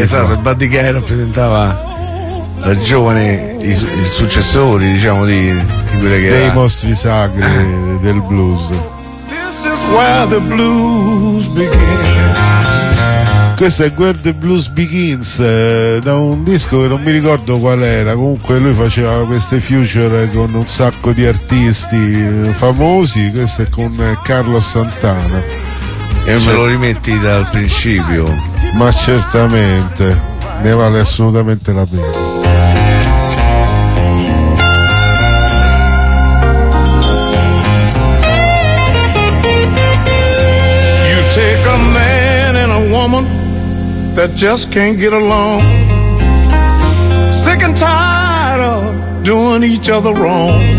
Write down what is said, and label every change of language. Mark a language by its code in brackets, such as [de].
[it] Esatto, il Buddy Guy rappresentava la giovane, il successore, diciamo, di quelle che dei mostri sacri del blues. [en] This is where the blues begins. [it] Questo è Where the Blues Begins, da un disco che non mi ricordo qual era. Comunque lui faceva queste future con un sacco di artisti famosi. Questo è con Carlos Santana. E me lo rimetti dal principio. Ma certamente, ne vale assolutamente la pena. [en] You take a man and a woman that just can't get along, sick and tired of doing each other wrong.